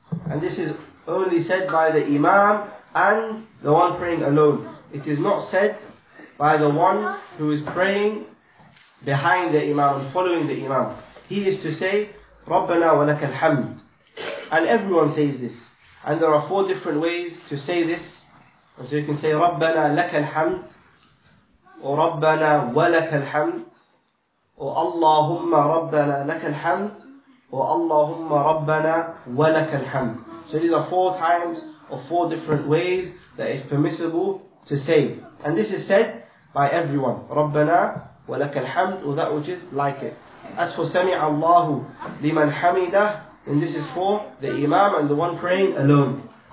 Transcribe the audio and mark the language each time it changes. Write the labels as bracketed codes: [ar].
[en] And this is only said by the Imam and the one praying alone. It is not said by the one who is praying behind the Imam and following the Imam. He is to say, [ar] رَبَّنَا وَلَكَ الْحَمْدُ. [en] And everyone says this. And there are four different ways to say this. And so you can say, [ar] رَبَّنَا لَكَ الْحَمْدُ, or رَبَّنَا وَلَكَ الْحَمْدُ, or اللَّهُمَّ رَبَّنَا لَكَ الْحَمْدُ, or اللَّهُمَّ رَبَّنَا وَلَكَ الْحَمْدُ. [en] So these are four times or four different ways that is permissible to say. And this is said by everyone. [ar] رَبَّنَا وَلَكَ الْحَمْدُ, [en] or that which is like it. As for [ar] سَمِعَ اللَّهُ لِمَنْ حَمِدَهُ, [en] then this is for the Imam and the one praying alone.